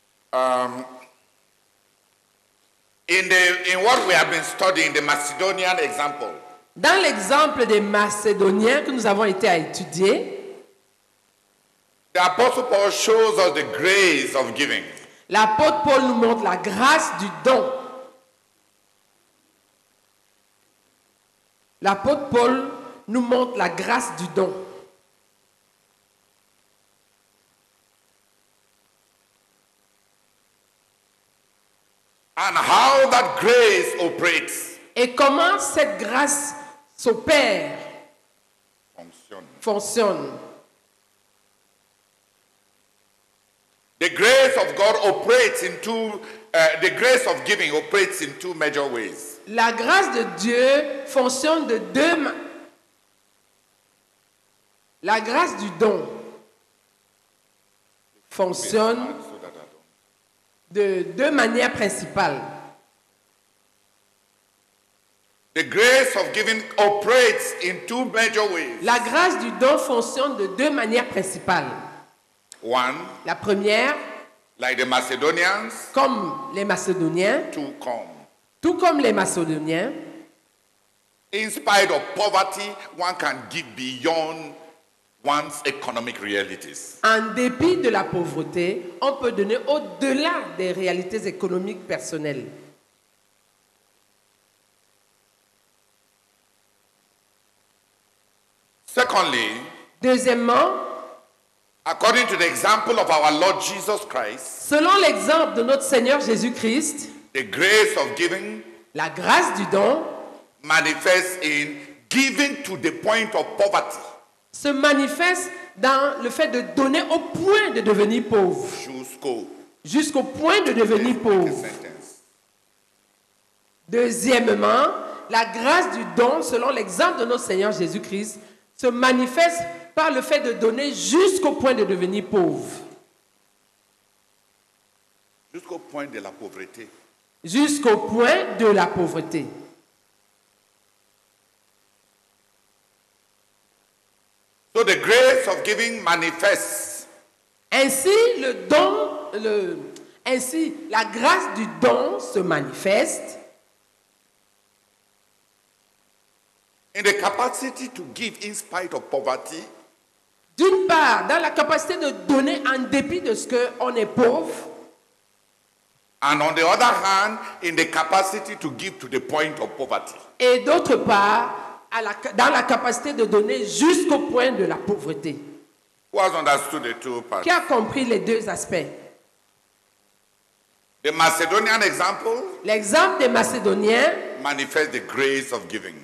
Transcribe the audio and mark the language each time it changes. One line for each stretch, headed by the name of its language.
English: In what we have been studying, the Macedonian example.
French: Dans l'exemple des Macédoniens que nous avons été à étudier,
English: the apostle Paul shows us the grace of giving.
French: L'apôtre Paul nous montre la grâce du don. L'apôtre Paul nous montre la grâce du don.
English: And how that grace operates.
French: Et comment cette grâce s'opère? Fonctionne.
English: The grace of God operates in two. The grace of giving operates in two major ways.
French: La grâce de Dieu fonctionne de deux. La grâce du don fonctionne de deux manières principales.
English: The grace of giving operates in two major ways.
French: La grâce du don fonctionne de deux manières principales.
English: One,
French: la première,
English: like the Macedonians,
French: comme les Macédoniens, tout comme les Macédoniens,
English: in spite of poverty, one can give beyond one's economic realities.
French: En dépit de la pauvreté, on peut donner au-delà des réalités économiques personnelles.
English: Secondly,
French: deuxièmement,
English: according to the example of our Lord Jesus Christ,
French: selon l'exemple de notre Seigneur Jésus-Christ,
English: the grace of giving,
French: la grâce du don,
English: manifests in giving to the point of poverty,
French: se manifeste dans le fait de donner au point de devenir pauvre, jusqu'au point de devenir pauvre. Deuxièmement, la grâce du don, selon l'exemple de notre Seigneur Jésus-Christ, se manifeste par le fait de donner jusqu'au point de devenir pauvre. Jusqu'au point de la pauvreté. Jusqu'au point de la pauvreté.
English: So the grace of giving manifests.
French: Ainsi, le don, ainsi la grâce du don se manifeste.
English: In the capacity to give in spite of poverty.
French: D'une part, dans la capacité de donner en dépit de ce qu'on est pauvre.
English: And on the other hand, in the capacity to give to the point of poverty.
French: Et d'autre part, dans la capacité de donner jusqu'au point de la pauvreté.
English: Who has understood the two parts?
French: Qui a compris les deux aspects?
English: The Macedonian example.
French: L'exemple des Macédoniens.
English: Manifest the grace of giving.